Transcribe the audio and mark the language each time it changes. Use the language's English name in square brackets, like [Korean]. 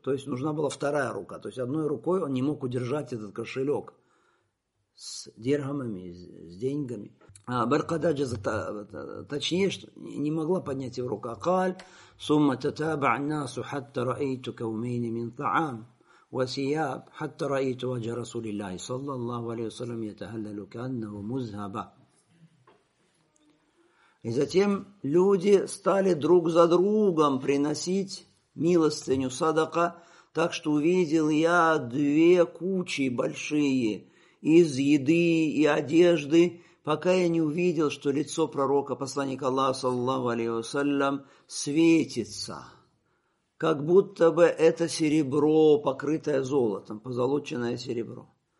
[Russian] То есть нужна была вторая рука. То есть одной рукой он не мог удержать этот кошелек с дирхамами, с деньгами. Бель-кададжазат. Точнее, что не могла поднять его рука. [Arabic] Каль, сумма татаба аннасу хатта раэйту каумейни мин таам. وسياب حتى رأيت وجه رسول الله صلى الله عليه وسلم يتهلل كأنه مذهب. [Russian] И затем люди стали друг за другом приносить милостыню садака, так что увидел я две кучи большие из еды и одежды, пока я не увидел, что лицо пророка, посланника Аллаха صلى الله عليه وسلم светится, как будто бы это серебро, покрытое золотом, позолоченное серебро.